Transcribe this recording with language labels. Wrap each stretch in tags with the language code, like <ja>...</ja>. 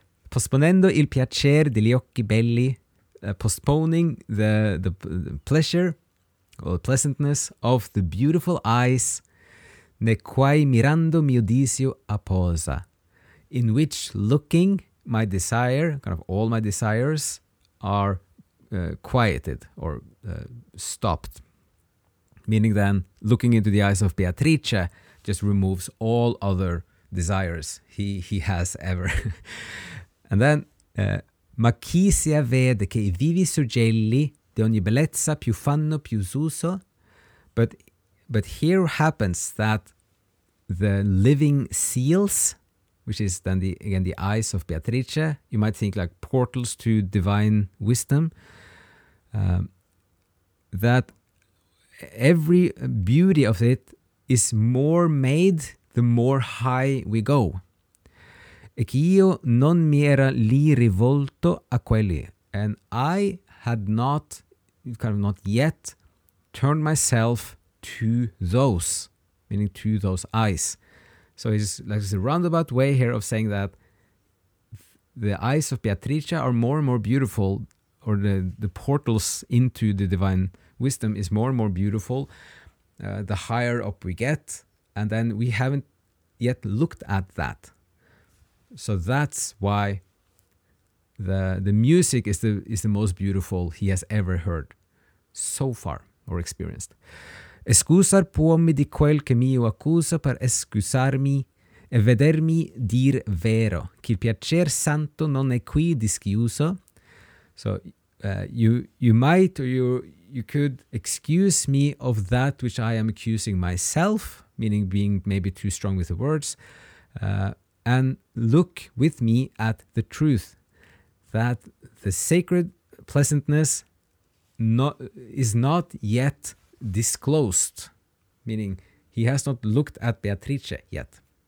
<it>Posponendo il piacere degli occhi belli,</it> <en>postponing the pleasure or pleasantness of the beautiful eyes,</en> <it>ne quai mirando mio disio apposa,</it> <en>in which looking my desire, kind of all my desires, are quieted or stopped. Meaning then, looking into the eyes of Beatrice just removes all other desires he has ever. And then,</en> <it>Ma chi si avvede che i vivi suggelli di ogni bellezza più fanno più uso?</it> <en>But here happens that the living seals, which is then the, again the eyes of Beatrice, you might think like portals to divine wisdom, that every beauty of it is more made the more high we go.</en> <it>E che io non mi era lì rivolto a quelli.</it> <en>And I had not, kind of not yet, turned myself to those, meaning to those eyes. So it's like a roundabout way here of saying that the eyes of Beatrice are more and more beautiful, or the portals into the divine wisdom is more and more beautiful, the higher up we get, and then we haven't yet looked at that. So that's why the music is the most beautiful he has ever heard so far or experienced.</en> <it>Escusar puomi di quel che mio accusa per escusarmi e vedermi dir vero che il piacer santo non è qui dischiuso.</it> <en>So you could excuse me of that which I am accusing myself, meaning being maybe too strong with the words. And look with me at the truth, that the sacred pleasantness is not yet disclosed, meaning he has not looked at Beatrice yet.</en>